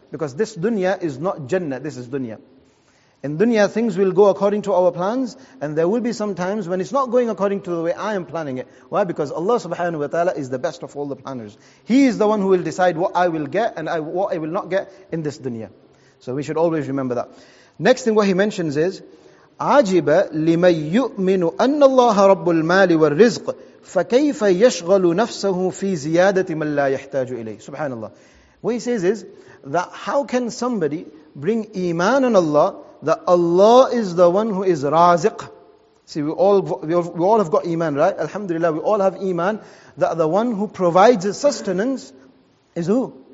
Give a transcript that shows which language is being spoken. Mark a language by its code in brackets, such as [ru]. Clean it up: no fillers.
[en] Because this dunya is not Jannah, this is dunya. In dunya, things will go according to our plans, and there will be some times when it's not going according to the way I am planning it. Why? Because Allah subhanahu wa ta'ala is the best of all the planners. He is the one who will decide what I will get and what I will not get in this dunya. So we should always remember that. Next thing what he mentions is, [ar] عَجِبَ لِمَن يُؤْمِنُ أَنَّ اللَّهَ رَبُّ الْمَالِ وَالرِّزْقِ فَكَيْفَ يَشْغَلُ نَفْسَهُ فِي زِيَادَةِ مَن لَا يَحْتَاجُ إِلَيْهِ. [en] Subhanallah. What he says is, that how can somebody bring Iman on Allah, that Allah is the one who is Raziq. See, we all have got Iman, right? Alhamdulillah, we all have Iman, that the one who provides sustenance is who?